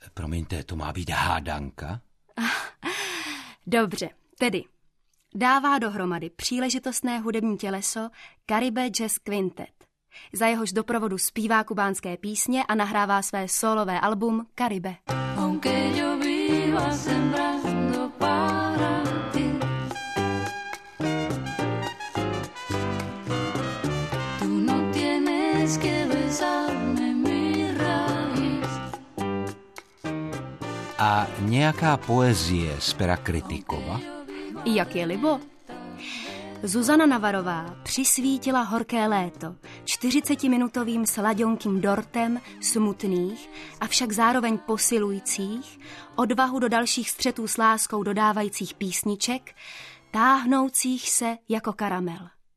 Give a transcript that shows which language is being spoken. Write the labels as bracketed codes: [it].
[cs] Promiňte, to má být hádanka? Dobře, tedy. Dává dohromady příležitostné hudební těleso Caribe Jazz Quintet. Za jehož doprovodu zpívá kubánské písně a nahrává své solové album Caribe. [es] Aunque yo viva sembrando para ti, tú no tienes que besarme mi raíz. [cs] A nějaká poezie z pera Krytykova? Jak je libo? Zuzana Navarová přisvítila horké léto 40-minutovým sladionkým dortem smutných, avšak zároveň posilujících, odvahu do dalších střetů s láskou dodávajících písniček, táhnoucích se jako karamel.